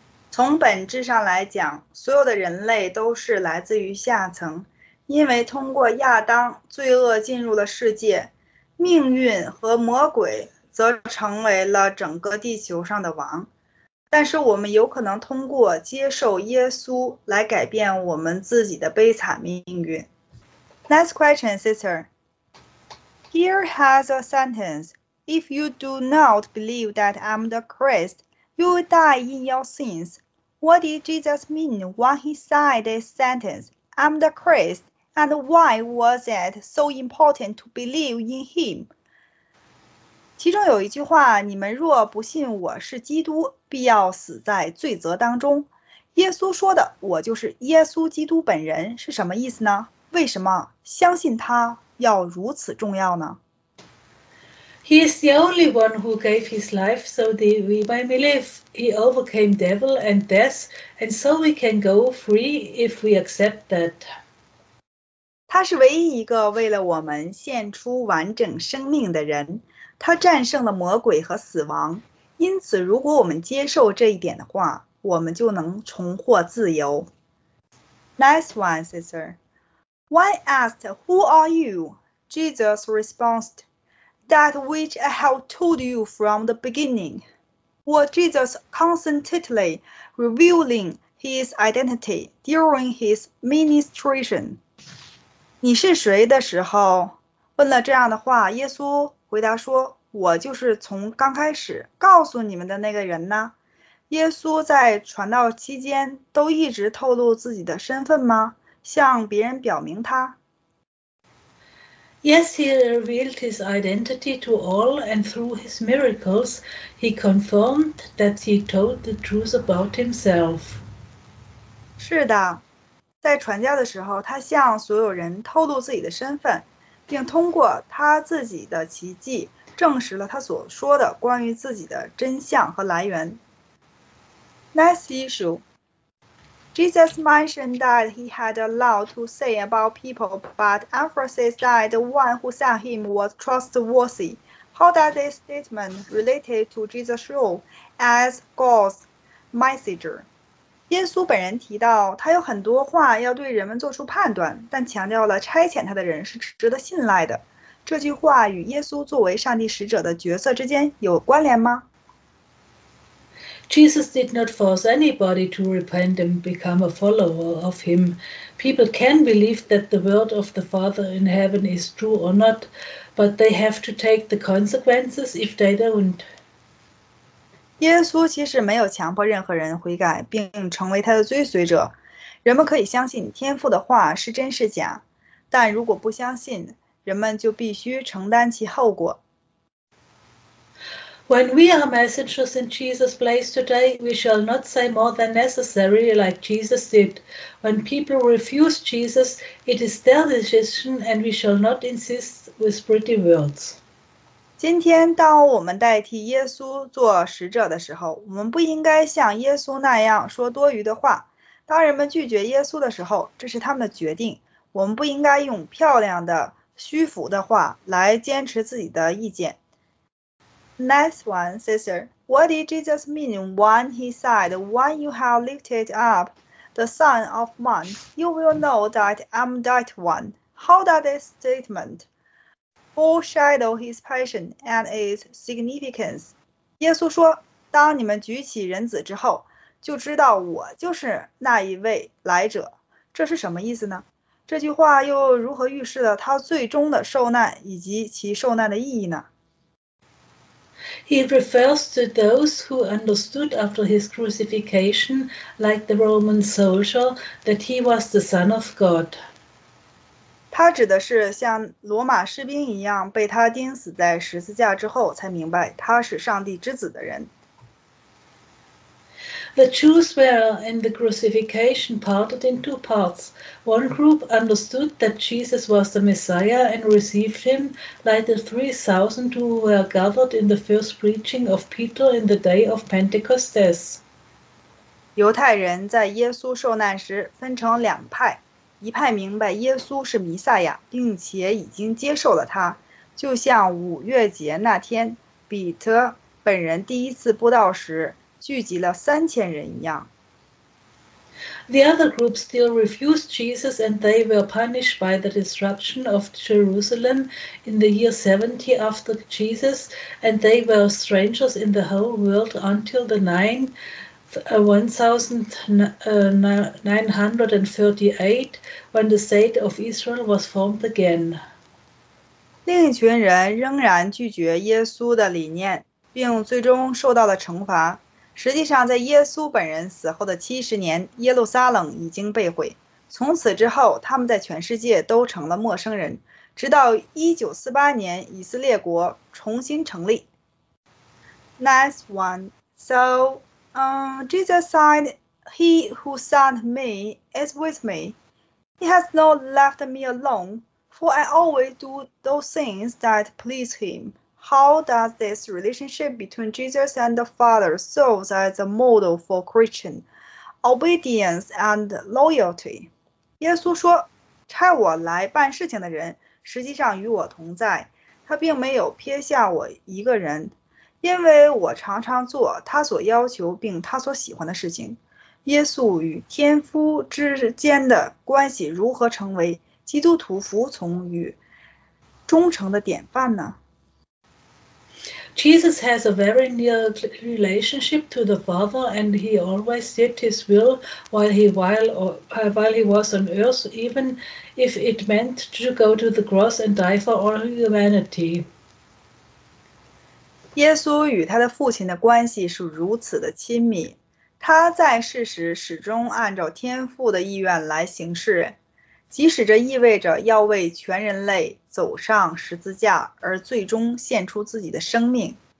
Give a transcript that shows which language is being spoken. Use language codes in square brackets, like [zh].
[zh] 从本质上来讲，所有的人类都是来自于下层。因为通过亚当，罪恶进入了世界，命运和魔鬼则成为了整个地球上的王。但是我们有可能通过接受耶稣来改变我们自己的悲惨命运。 [en] Next question, sister. Here has a sentence. If you do not believe that I'm the Christ, you will die in your sins. What did Jesus mean when he said this sentence? I'm the Christ. And why was it so important to believe in him? [zh] 其中有一句话：“你们若不信我是基督，必要死在罪责当中。 ”耶稣说的“我就是耶稣基督本人”是什么意思呢？为什么相信他要如此重要呢？ [en] He is the only one who gave his life so that we may live. He overcame devil and death, and so we can go free if we accept that. [zh] 他是唯一一个为了我们献出完整生命的人，他战胜了魔鬼和死亡。因此，如果我们接受这一点的话，我们就能重获自由。 [en] Nice one, sister. When asked, "Who are you?" Jesus responded, "That which I have told you from the beginning." What Jesus constantly revealing his identity during his ministration. [zh] 你是谁的时候问了这样的话，耶稣回答说：“我就是从刚开始告诉你们的那个人呢。 ”耶稣在传道期间都一直透露自己的身份吗？向别人表明他？ [en] Yes, he revealed his identity to all, and through his miracles, he confirmed that he told the truth about himself. [zh] 是的，在传教的时候，他向所有人透露自己的身份，并通过他自己的奇迹，证实了他所说的关于自己的真相和来源。 [en] Next issue. Jesus mentioned that he had a lot to say about people, but emphasized that the one who sent him was trustworthy. How does this statement relate to Jesus' role as God's messenger? [zh] 耶稣本人提到，他有很多话要对人们做出判断，但强调了差遣他的人是值得信赖的。这句话与耶稣作为上帝使者的角色之间有关联吗？ [en] Jesus did not force anybody to repent and become a follower of him. People can believe that the word of the Father in heaven is true or not, but they have to take the consequences if they don't. [zh] 耶稣其实没有强迫任何人悔改并成为他的追随者。人们可以相信天父的话是真是假，但如果不相信，人们就必须承担其后果。 [en] When we are messengers in Jesus' place today, we shall not say more than necessary like Jesus did. When people refuse Jesus, it is their decision and we shall not insist with pretty words. [zh] 今天当我们代替耶稣做使者的时候，我们不应该像耶稣那样说多余的话。当人们拒绝耶稣的时候，这是他们的决定。我们不应该用漂亮的、虚浮的话来坚持自己的意见。 [en] Next one, sister. What did Jesus mean when he said, "When you have lifted up the Son of Man, you will know that I'm that one"? How does this statement foreshadow his passion and its significance? [zh] 耶稣说，当你们举起人子之后，就知道我就是那一位来者。这是什么意思呢？这句话又如何预示了他最终的受难以及其受难的意义呢？ [en] He refers to those who understood after his crucifixion, like the Roman soldier, that he was the Son of God. [zh] 他指的是像罗马士兵一样被他钉死在十字架之后才明白他是上帝之子的人。 [en] The Jews were in the crucifixion parted in two parts. One group understood that Jesus was the Messiah and received him, like the 3,000 who were gathered in the first preaching of Peter in the day of Pentecost. [zh] 犹太人在耶稣受难时分成两派，一派明白耶稣是弥赛亚，并且已经接受了他，就像五月节那天，彼得本人第一次布道时聚集了三千人一样。 [en] The other group still refused Jesus and they were punished by the destruction of Jerusalem in the year 70 after Jesus and they were strangers in the whole world until the 1938 when the state of Israel was formed again. [zh] 另一群人仍然拒绝耶稣的理念并最终受到了惩罚。实际上在耶稣本人死后的70年，耶路撒冷已经被毁。从此之后，他们在全世界都成了陌生人，直到1948年以色列国重新成立。 [en] Next one. So, Jesus said, "He who sent me is with me. He has not left me alone, for I always do those things that please him." How does this relationship between Jesus and the Father serve as a model for Christian obedience and loyalty? [zh] 耶稣说，差我来办事情的人实际上与我同在，他并没有撇下我一个人，因为我常常做他所要求并他所喜欢的事情。耶稣与天父之间的关系如何成为基督徒服从与忠诚的典范呢？ [en] Jesus has a very near relationship to the Father, and he always did his will while he was on earth, even if it meant to go to the cross and die for all humanity. [zh] 耶稣与他的父亲的关系是如此的亲密，他在世时始终按照天父的意愿来行事。即使这意味着要为全人类走上十字架而最终献出自己的生命。